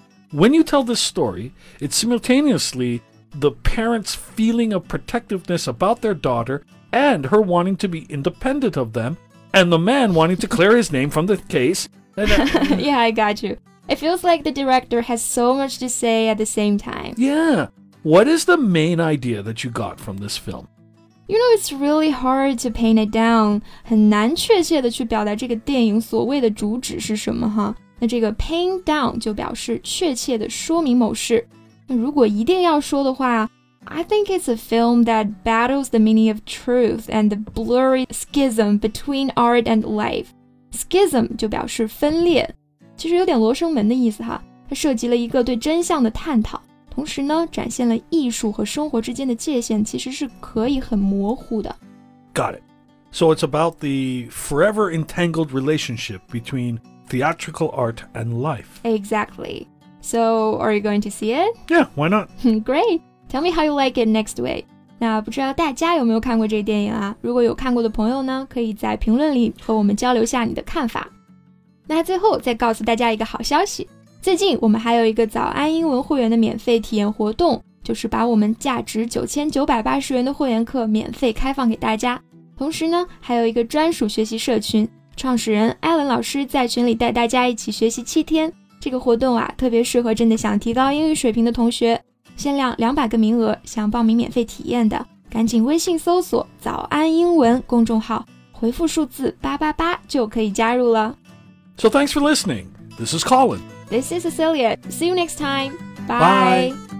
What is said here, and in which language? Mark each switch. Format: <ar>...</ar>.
<en>When you tell this story, it simultaneously... the parents' feeling of protectiveness about their daughter and her wanting to be independent of them and the man wanting to clear his name from the case. yeah, I got you. It feels like the director has so much to say at the same time. Yeah. What is the main idea that you got from this film? You know, it's really hard to paint it down.</en> <zh>很难确切地去表达这个电影所谓的主旨是什么哈。那这个 paint down 就表示确切地说明某事。如果一定要说的话</zh> <en>I think it's a film that battles the meaning of truth and the blurry schism between art and life.</en> <zh>Schism 就表示分裂，其实有点罗生门的意思哈。它涉及了一个对真相的探讨，同时呢，展现了艺术和生活之间的界限其实是可以很模糊的。</zh> <en>Got it. So it's about the forever entangled relationship between theatrical art and life. Exactly. So, are you going to see it? Yeah, why not? Great. Tell me how you like it next week.</en> <zh>那不知道大家有没有看过这电影啊？如果有看过的朋友呢，可以在评论里和我们交流下你的看法。那最后再告诉大家一个好消息。最近我们还有一个早安英文会员的免费体验活动，就是把我们价值9980元的会员课免费开放给大家。同时呢，还有一个专属学习社群，创始人艾伦老师在群里带大家一起学习7天。这个活动啊，特别适合真的想提高英语水平的同学，限量200个名额，想报名免费体验的，赶紧微信搜索“早安英文”公众号，回复数字888就可以加入了。</zh> <en>So thanks for listening. This is Colin. This is Cecilia. See you next time. Bye. Bye.</en>